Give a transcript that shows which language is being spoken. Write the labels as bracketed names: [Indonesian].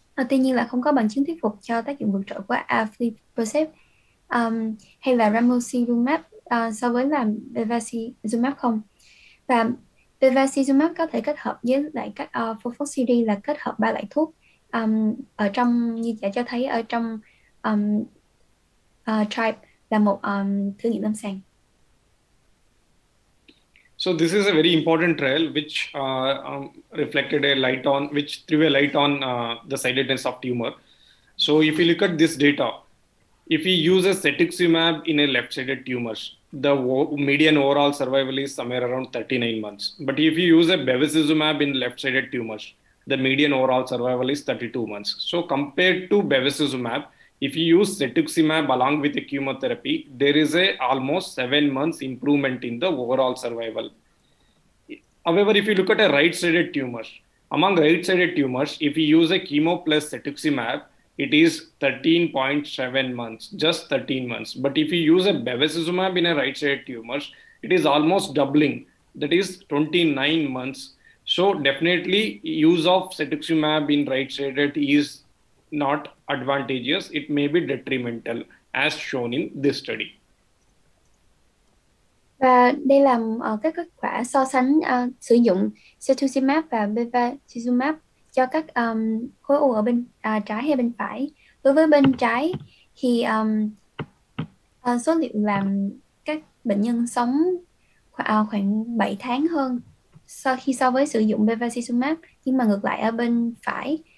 [Vietnamese] Tuy nhiên là không có bằng chứng thuyết phục cho tác dụng vượt trội của aflibercept hay là ramucirumab so với là bevacizumab không. Và bevacizumab có thể kết hợp với lại các FOLFOXIRI, là kết hợp ba loại thuốc ở trong như đã cho thấy ở trong TRIBE, là một thử nghiệm lâm sàng. [English] So this is a very important trial, which reflected a light on, which threw a light on the sidedness of tumor. So if you look at this data, if you use a cetuximab in a left-sided tumors, the median overall survival is somewhere around 39 months. But if you use a bevacizumab in left-sided tumors, the median overall survival is 32 months. So compared to bevacizumab, if you use cetuximab along with the chemotherapy, there is a almost 7 months improvement in the overall survival. However, if you look at a right-sided tumor, among right-sided tumors, if you use a chemo plus cetuximab, it is 13.7 months, just 13 months. But if you use a bevacizumab in a right-sided tumor, it is almost doubling, that is 29 months. So definitely, use of cetuximab in right-sided is not advantageous, it may be detrimental, as shown in this study. [Vietnamese] Và đây là các kết quả so sánh sử dụng cetuximab và bevacizumab cho các khối u ở bên trái hay bên phải. Đối với bên trái thì số liệu làm các bệnh nhân sống khoảng 7 tháng hơn so với sử dụng bevacizumab, nhưng mà ngược lại ở bên phải